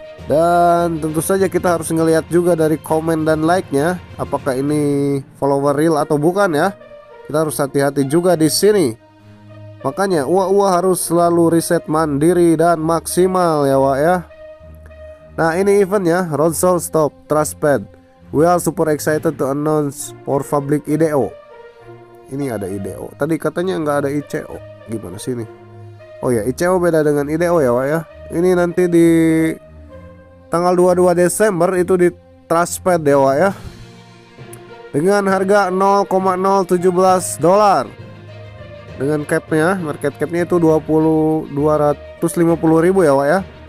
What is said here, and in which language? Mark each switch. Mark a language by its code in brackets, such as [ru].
[id] Dan tentu saja kita harus ngelihat juga dari komen dan like-nya, apakah ini follower real atau bukan ya. Kita harus hati-hati juga di sini. Makanya Uwa harus selalu riset mandiri dan maksimal ya, Wak ya. Nah ini eventnya, Roadshow Stop Trustpad. [en] We are super excited to announce for public IDO. [id] Ini ada IDO, tadi katanya nggak ada ICO, gimana sih ini? Oh ya, ICO beda dengan IDO ya, Wak ya. Ini nanti di tanggal 22 Desember itu di Trustpad ya, Wak ya. Dengan harga 0,017 dolar. Dengan capnya, market capnya itu 250 ribu ya, Wak ya.